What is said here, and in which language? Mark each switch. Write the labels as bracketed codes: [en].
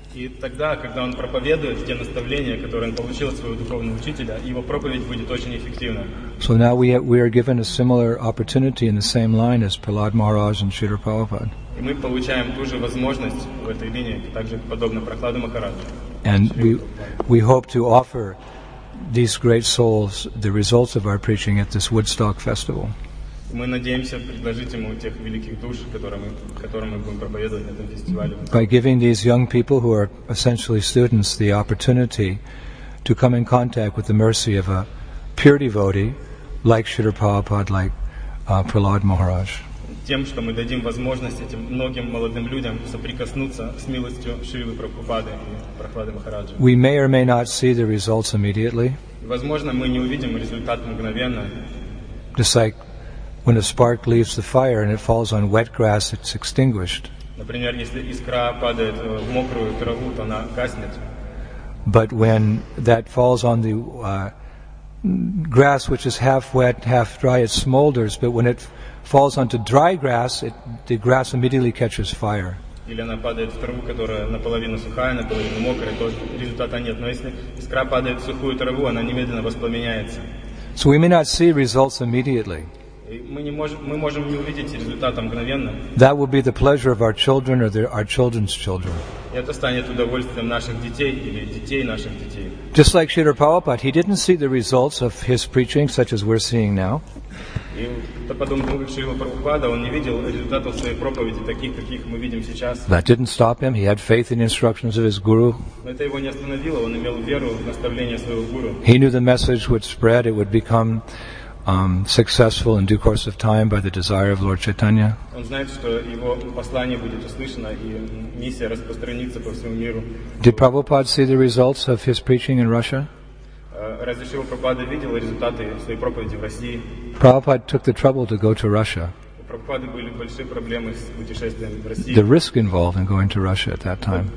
[ru] И тогда, когда он проповедует те наставления, которые он получил от своего духовного учителя, его проповедь будет очень эффективна. [en] So now we are given a similar opportunity in the same line as Prahlad Maharaj and Śrīla Prabhupāda. [ru] И мы получаем ту же возможность в этой линии, также подобно Прахладу Махараджу. [en] And we hope to offer these great souls the results of our preaching at this Woodstock festival. [ru] Мы надеемся предложить ему тех великих душ, которым мы будем проповедовать на этом фестивале. [en] By giving these young people who are essentially students the opportunity to come in contact with the mercy of a pure devotee like Śrīla Prabhupāda, like Prahlad Maharaj. [ru] Тем, что мы дадим возможность этим многим молодым людям соприкоснуться с милостью Шрилы Прабхупады и Прахлады Махараджа. [en] We may or may not see the results immediately. [ru] Возможно, мы не увидим результат мгновенно. [en] Just like when a spark leaves the fire and it falls on wet grass, it's extinguished. [ru] Например, если искра падает в мокрую траву, то она гаснет. [en] But when that falls on the grass which is half wet, half dry, it smolders. But when it falls onto dry grass, the grass immediately catches fire. [ru] Или она падает в траву, которая наполовину сухая, наполовину мокрая, то результата нет. Но если искра падает в сухую траву, она немедленно воспламеняется. [en] So we may not see results immediately. [ru] Мы можем не увидеть результата мгновенно. [en] That will be the pleasure of our children or our children's children. [ru] Это станет удовольствием наших детей или детей наших детей. [en] Just like Śrīla Prabhupāda, he didn't see the results of his preaching such as we're seeing now. [ru] И подумал, как Śrīla Prabhupāda, он не видел результатов своей проповеди таких, каких мы видим сейчас. [en] That didn't stop him. He had faith in the instructions of his guru. [ru] Это его не остановило. Он имел веру в наставления своего гуру. [en] He knew the message would spread. It would become successful in due course of time by the desire of Lord Chaitanya. [ru] Он знает, что его послание будет услышано и миссия распространится по всему миру. [en] Did Prabhupada see the results of his preaching in Russia? [ru] Разве Шрила Прабхупада видел результаты своей проповеди в России? [en] Prabhupada took the trouble to go to Russia. [ru] У Прабхупады были большие проблемы с путешествием в Россию. [en] The risk involved in going to Russia at that time.